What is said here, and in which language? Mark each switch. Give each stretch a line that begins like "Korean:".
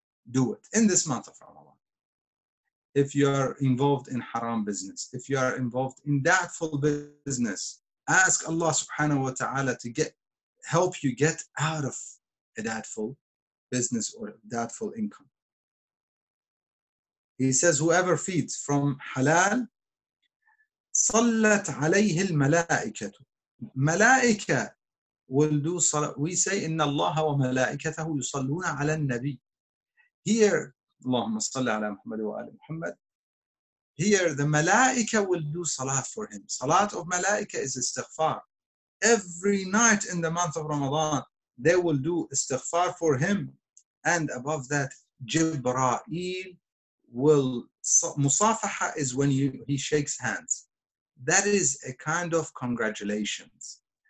English: Do it in this month of Ramadan. If you are involved in haram business, if you are involved in doubtful business, ask Allah subhanahu wa ta'ala to help you get out of a doubtful business or doubtful income. He says, whoever feeds from halal,
Arabic: صلت عليه الملائكة.
English: Malaika will do salah. We say,
Arabic: إن الله وملائكته يصلون على النبي. Here, اللهم صل على محمد وآل محمد.
English: Here, the malaika will do salat for him. Salat of malaika is istighfar. Every night in the month of Ramadan, they will do istighfar for him. And above that, Jibra'il will... Musafaha is when he shakes hands. That is a kind of congratulations.